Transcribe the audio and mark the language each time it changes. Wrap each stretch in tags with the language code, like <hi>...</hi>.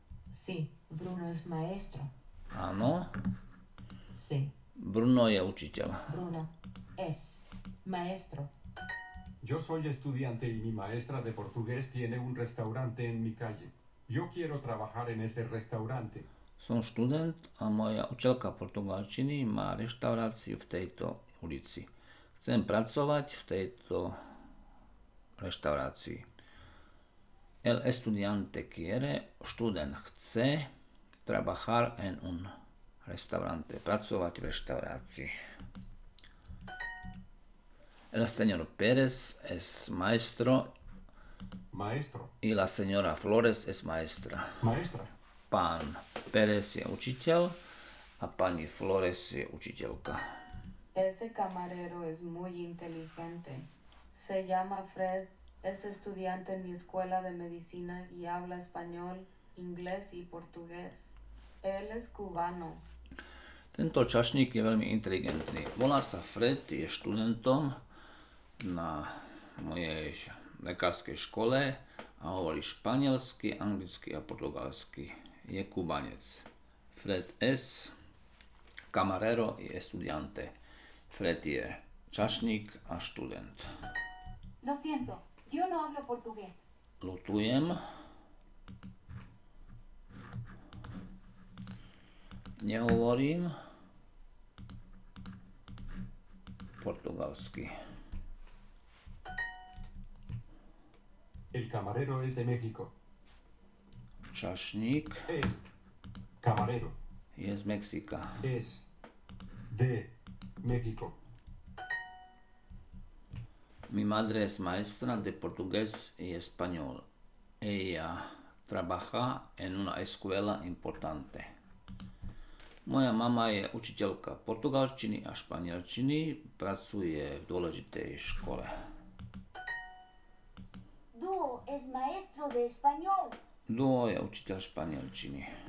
<es>Sí, Bruno es maestro.</es> <sk>Áno.</sk> <es>Sí.</es> <sk>Bruno je učiteľ.</sk> <es>Bruno es maestro. Yo soy estudiante y mi maestra de portugués tiene un restaurante en mi calle. Yo quiero trabajar en ese restaurante.</es> <sk>Som študent a moja učiteľka portugalčiny má reštauráciu v tejto ulici. Chcem pracovať v tejto reštaurácii.</sk> <es>El estudiante quiere,</es> <sk>študent chce,</sk> <es>trabajar en un restaurante,</es> <sk>pracovať v reštaurácii.</sk> <es>El señor Pérez es maestro. Maestro. Y la señora Flores es maestra. Maestra.</es> <sk>Pán Pérez je učiteľ a pani Flores je učiteľka.</sk> <es>Ese camarero es muy inteligente. Se llama Fred, es estudiante en mi escuela de medicina y habla español, inglés y portugués. Él es cubano.</es> <sk>Tento čašník je veľmi inteligentný. Volá sa Fred, je študentom na mojej lekárskej škole a hovorí španielsky, anglicky a portugalsky. Je Kubanec.</sk> <es>Fred es camarero y estudiante.</es> <sk>Fred je čašník a študent.</sk> <es>Lo siento, yo no hablo portugués.</es> <sk>Lutujem. Nehovorím portugalsky.</sk> <es>El camarero es de México.</es> <sk>Čašník.</sk> <es>El camarero.</es> <sk>Je z Mexika.</sk> <es>Es de México. Mi madre es maestra de portugués y español. Ella trabaja en una escuela importante.</es> <sk>Moja mama je učiteľka portugalčiny a španielčiny. Pracuje v dôležitej škole.</sk> <es>Duo es maestro de español.</es> <sk>Duo je učiteľ španielčiny.</sk>